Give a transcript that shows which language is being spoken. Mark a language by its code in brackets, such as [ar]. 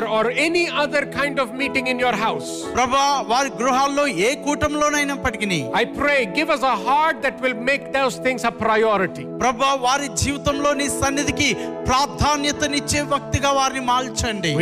[en] or any other kind of meeting in your house, [te] ప్రభువా, వారి గృహాల్లో ఏ కూటమిలోనైనప్పటికీని, [en] I pray, give us a heart that will make those things a priority. [te] ప్రభువా, వారి జీవితంలో నీ సన్నిధికి ప్రాధాన్యతనిచ్చే వ్యక్తిగా వారిని మార్చండి.